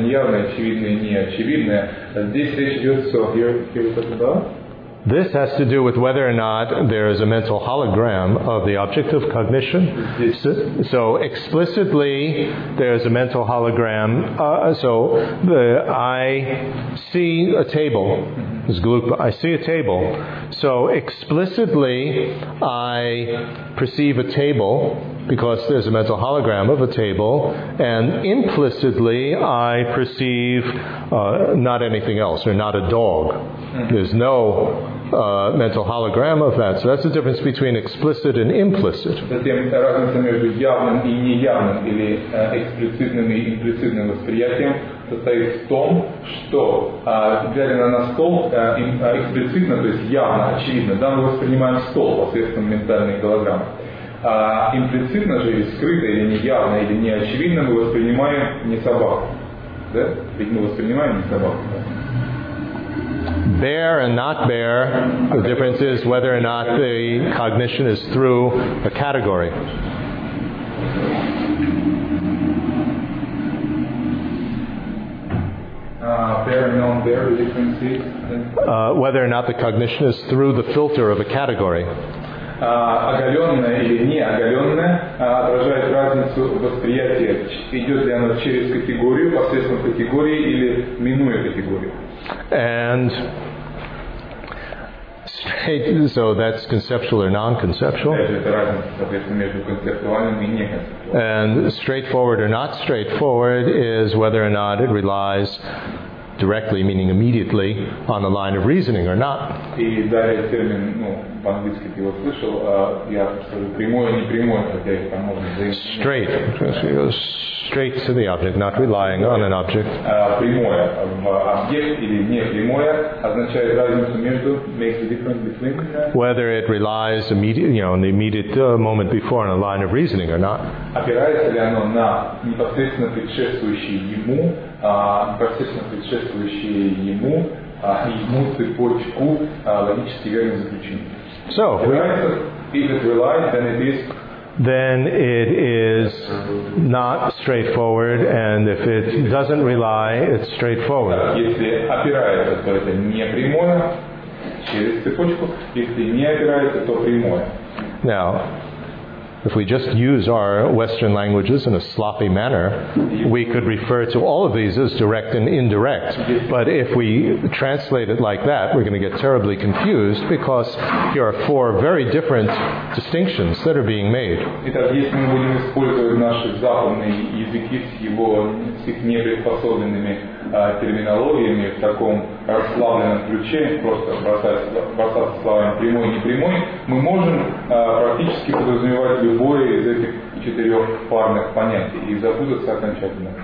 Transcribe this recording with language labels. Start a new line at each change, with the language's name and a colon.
Russian: неявное, очевидное, неочевидное. Здесь речь идет, что
English: here we talk about. This has to do with whether or not there is a mental hologram of the object of cognition. So explicitly, there is a mental hologram. I see a table. This is Glupa. I see a table. So explicitly, I perceive a table because there's a mental hologram of a table. And implicitly, I perceive not anything else, or not a dog. There's no mental hologram of that. So that's the difference between explicit and implicit.
Russian: Затем разница между явным и неявным или эксплицитным и имплицитным восприятием состоит в том, что глядя на стол эксплицитно, то есть явно, очевидно, да, мы воспринимаем стол посредством ментальной голограммы. Имплицитно же или скрыто, или неявно, или неочевидно мы воспринимаем не собаку. Да? Ведь мы воспринимаем не собаку. Да?
English: Bare and not bare, the difference is whether or not the cognition is through a category. Bare and non bare, the difference is? Whether or not the cognition is through the filter of a category.
Russian: Оголенное или неоголенное отражает разницу восприятия. Идет ли оно через категорию, посредством категории или минуя категорию.
English: And straight, so that's conceptual or non-conceptual. And straightforward or not straightforward is whether or not it relies directly, meaning immediately, on the line of reasoning or not.
Russian: И далее термин, ну, по-английски ты его слышал, я скажу прямое, не прямое, хотя их там можно взаимодействовать.
English: Straight. So you go straight to the object, not relying on an object.
Russian: Прямое в объект или не прямое означает разницу между,
English: makes the difference between. Whether it relies immediately, you know, on the immediate moment before on a line of reasoning or not.
Russian: Опирается ли оно на непосредственно предшествующий ему, непосредственно предшествующие ему, ему цепочку логических верных заключений.
English: So, if it relies, then it is not straightforward, and if it doesn't rely, it's straightforward.
Russian: Если опирается, то это не прямое, через цепочку. Если не опирается, то прямое.
English: Now, if we just use our Western languages in a sloppy manner, we could refer to all of these as direct and indirect. But if we translate it like that, we're going to get terribly confused because here are four very different distinctions that are being made.
Russian: Итак, если мы будем использовать наши западные языки с относиться к неприспособленными терминологиями в таком расслабленном ключе, просто бросаться словами прямой и непрямой, мы можем практически подразумевать любое из этих четырех парных понятий и запутаться окончательно.